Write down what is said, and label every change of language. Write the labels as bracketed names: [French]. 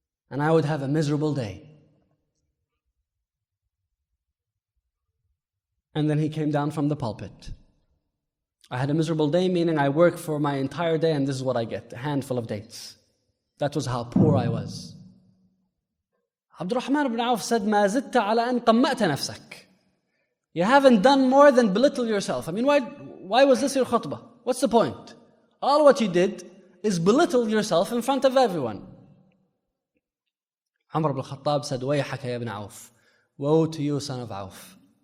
[English] And I would have a miserable day. And then he came down from the pulpit. I had a miserable day, meaning I work for my entire day and this is what I get, a handful of dates. That was how poor I was. [Arabic] Abdurrahman ibn Auf said, مَا زِدْتَ عَلَىٰ أَنْ قَمَّأْتَ نَفْسَكَ. [English] You haven't done more than belittle yourself. I mean, why was this your khutbah? What's the point? All what you did is belittle yourself in front of everyone. Umar ibn al-Khattab said, [Arabic] وَيْحَكَ يَا ابْن عَوْف. [English] Woe to you, son of Auf.